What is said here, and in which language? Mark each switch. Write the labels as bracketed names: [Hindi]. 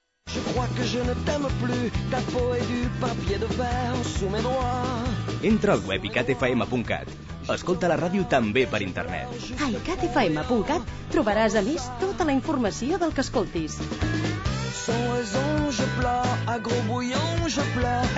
[French] Je crois que je ne t'aime plus, ta peau est du papier de verre sous mes doigts. [Catalan] Entra al web icatfm.cat. Escolta la ràdio també per internet. A icatfm.cat trobaràs a més tota la informació del que escoltis. [French] Sans raison je pleure, à gros bouillon je pleure.